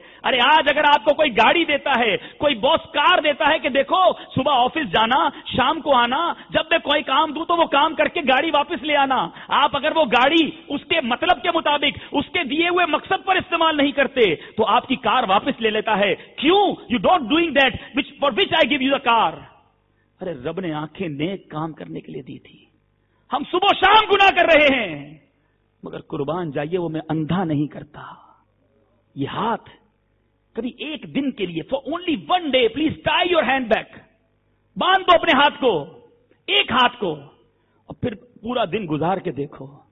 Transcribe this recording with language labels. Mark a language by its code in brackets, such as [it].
[ur] ارے آج اگر آپ کو کوئی گاڑی دیتا ہے, کوئی باس کار دیتا ہے کہ دیکھو صبح آفس جانا, شام کو آنا, جب میں کوئی کام دوں تو وہ کام کر کے گاڑی واپس لے آنا. آپ اگر وہ گاڑی اس کے مطلب کے مطابق, اس کے دیے ہوئے مقصد پر استعمال نہیں کرتے تو آپ کی کار واپس لے لیتا ہے. [en] کیوں؟ You don't doing that for which I give you the car. [ur] ارے رب نے آنکھیں نیک کام کرنے کے لیے دی تھی. ہم صبح شام گناہ کر رہے ہیں مگر قربان جائیے وہ میں اندھا نہیں کرتا. یہ ہاتھ کبھی ایک دن کے لیے, [en] for only one day please tie your hand back, [ur] باندھ دو اپنے ہاتھ کو, ایک ہاتھ کو, اور پھر پورا دن گزار کے دیکھو.